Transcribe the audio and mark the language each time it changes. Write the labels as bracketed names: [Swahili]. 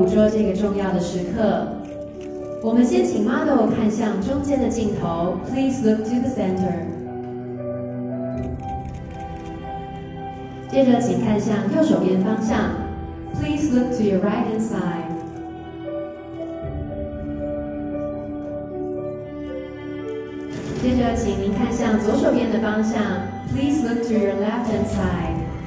[Chinese] 这个重要的时刻，我们先请 Model 看向中间的镜头， [English] Please look to the center。 [Chinese] 接着请看向右手边方向， [English] Please look to your right hand side。 [Chinese] 接着请您看向左手边的方向， [English] Please look to your left hand side.